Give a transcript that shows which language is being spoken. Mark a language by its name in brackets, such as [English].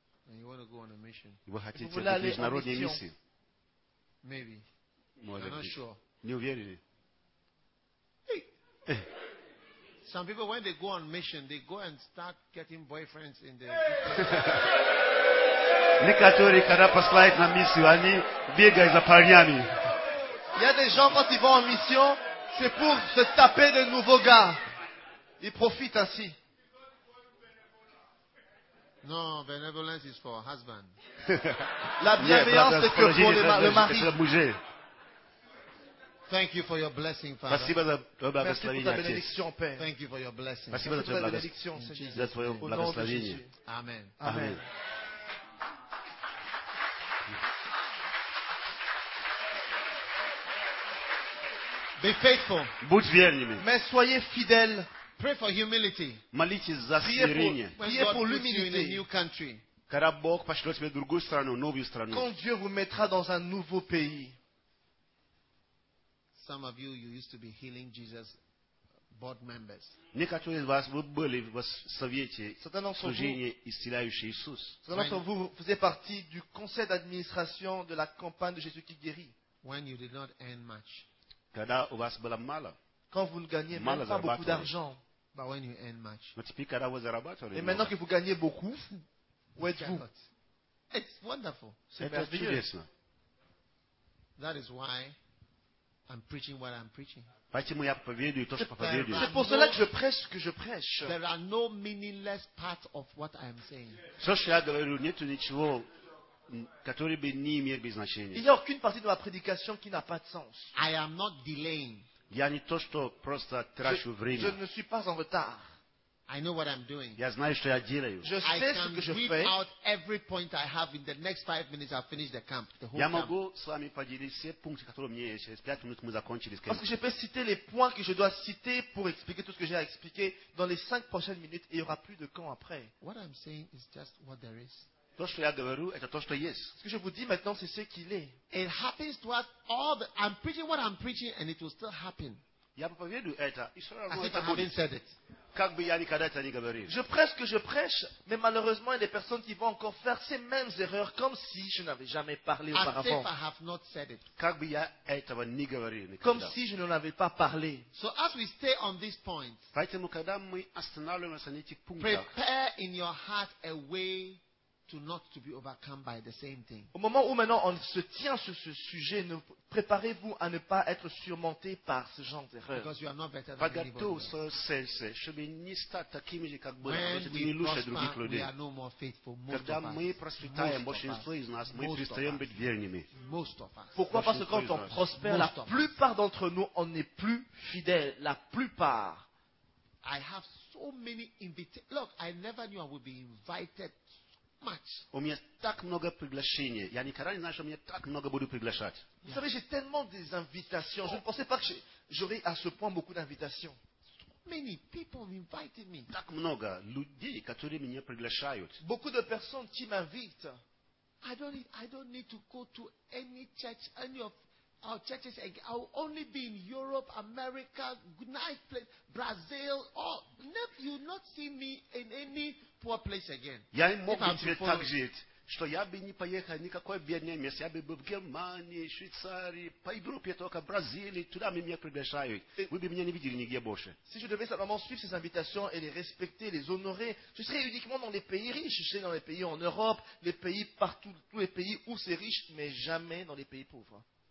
[English] And you want to go on a mission? [French] Vous voulez aller en mission? [English] Maybe. I'm not sure. [Russian] Не уверен. [English] Some people, when they go on mission, they go and start getting boyfriends in there. [Russian] Некоторые, когда посылают на миссию, они бегают за парнями. [French] Il y a des gens, quand ils vont en mission, c'est pour se taper de nouveaux gars. Ils profitent ainsi. [English] Non, benevolence is for husband. [French] La bienveillance, c'est que pour le mari. [English] Thank you for your blessing, Father. [French] Merci pour ta bénédiction, Père. [English] Thank you for your blessing. [French] Merci pour ta bénédiction, Seigneur. Au nom de Jésus. Amen. Amen. [English] Be faithful. [Russian] Будь верными. [French] Mais soyez fidèles. [English] Pray for humility. [Russian] Молитесь за смирение. [French] Priez pour l'humilité. [English] New country. [Russian] Когда Бог пошлет тебя в другую страну, новую страну. [French] Quand Dieu vous mettra dans un nouveau pays. [English] Some of you used to be Healing Jesus board members. [Russian] Некоторые из вас вы были в совете служения исцеляющий Иисус. [French] Вous faisiez partie du conseil d'administration de la campagne de Jésus qui guérit. [English] When you did not earn much. [Russian] Когда у вас было мало. [French] Quand vous ne gagniez même pas beaucoup d'argent. [English] But when you earn much. [Russian] Но теперь когда вы зарабатывали. [French] Et maintenant que vous gagnez beaucoup, où êtes-vous? [English] It's wonderful. [French] C'est merveilleux. [English] That is why. I'm preaching what I'm preaching. [Russian] Поэтому я проповедую то, что проповедую. [French] C'est pour cela que je prêche ce que je prêche. [English] There are no meaningless parts of what I am saying. [Russian] Все, что я говорю, нет ничего, которое бы не имело бы значения. [French] Il n'y a aucune partie de ma prédication qui n'a pas de sens. [English] I am not delaying. [Russian] Я не то, что просто трачу время. [French] Je ne suis pas en retard. [English] I know what I'm doing. [Russian] Я знаю, что я делаю. [French] Je sais ce que je fais. [English] I can read out every point I have in the next 5 minutes. I'll finish the camp, the whole [Russian] Я могу с вами поделиться все пункты, которые у меня есть. Через 5 минут мы закончили. [French] Parce que je peux citer les points que je dois citer pour expliquer tout ce que j'ai à expliquer dans les 5 prochaines minutes. Il y aura plus de camp après. [English] What I'm saying is just what there is. [Russian] То, что я говорю, это то, что есть. [French] Ce que je vous dis maintenant, c'est ce qu'il est. [English] It happens to us all. I'm preaching what I'm preaching, and it will still happen. [Russian] Я проповедую это. [English] As if I haven't said it. [Russian] как бы я никогда это не говорил. [French] Je prêche ce que je prêche, mais malheureusement, il y a des personnes qui vont encore faire ces mêmes erreurs comme si je n'avais jamais parlé auparavant. [English] As if I have not said it. [Russian] Как бы я этого не говорил никогда. [French] Comme si je n'en avais pas parlé. [English] So as we stay on this point, [Russian] поэтому, когда мы останавливаемся на этих пунктах, [English] prepare in your heart a way to not to be overcome by the same thing. [French] Au moment où maintenant on se tient sur ce sujet, préparez-vous à ne pas être surmonté par ce genre d'erreur. [English] Because you are not better than anybody. [Russian] Когда чтобы такими же как бы, не лучше других людей. [English] We are no more faithful. Most [Russian] когда мы просветаем, большинство из нас, мы перестаем быть верными. [English] Most of us. [French] Пourquoi? Parce que quand on prospère, la plupart d'entre nous, on n'est plus fidèles. La plupart. [English] I have so many invitations. Look, I never knew I would be invited. [Russian] У меня так много приглашений. Я никогда не знал, что меня так много будут приглашать. Вы знаете, [French] j'ai tellement des invitations. Je ne pensais pas que j'aurais à ce point beaucoup d'invitations. [English] Many people invited me. [Russian] Так много людей, которые меня приглашают. [French] Beaucoup de personnes qui m'invitent. [English] I don't need to go to any church, any of our churches. I will only be in Europe, America, nice place, Brazil. You will not see me in any poor place again. [Russian] Я мог бы теперь так жить, что я бы не поехал никакое бедное место. Я бы был в Германии, Швейцарии, по Европе только, Бразилии. Туда меня приглашают. Вы бы меня не видели нигде больше. [French] Si je devais simplement suivre ces invitations et les respecter, les honorer, je serais uniquement dans les pays riches. Je serais dans les pays en Europe, les pays partout, tous les pays où c'est riche, mais jamais dans les pays pauvres.